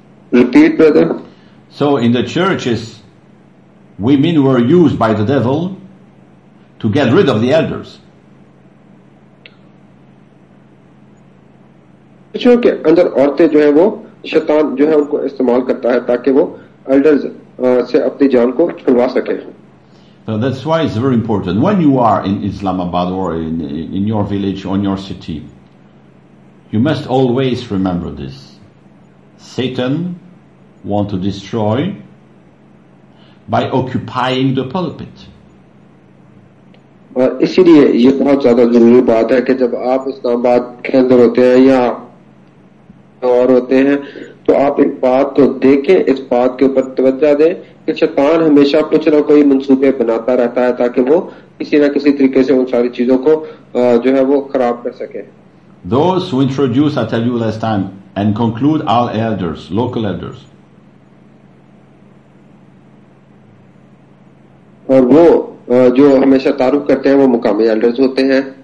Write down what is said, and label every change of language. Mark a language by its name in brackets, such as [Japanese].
[English] Repeat, brother. So in the churches, women were used by the devil to get rid of the elders. [Hindi] Churchों के अंदर औरतें जो हैं वो शैतान जो है उनको इस्तेमाल करता है ताकि वो elders से अपनी जान को छुड़वा सके. [English] So that's why it's very important. When you are in Islamabad or in your village or in your city, you must always remember this. Satan wants to destroy by occupying the pulpit. [Hindi] और इसीलिए ये बहुत ज्यादा जरूरी बात है कि जब आप इस्लामाबाद के अंदर होते हैं या और होते हैं तो आप एक बात तो देखें, इस बात के ऊपर तवज्जो दें कि शैतान हमेशा कुछ ना कोई मंसूबे बनाता रहता है ताकि वो किसी ना किसी तरीके से उन सारी चीजों को जो है वो खराब कर सके. [English] Those who introduce, I tell you last time, and conclude all elders, local elders. [Hindi] और वो जो हमेशा तारुफ करते हैं वो मुकामी elders होते हैं.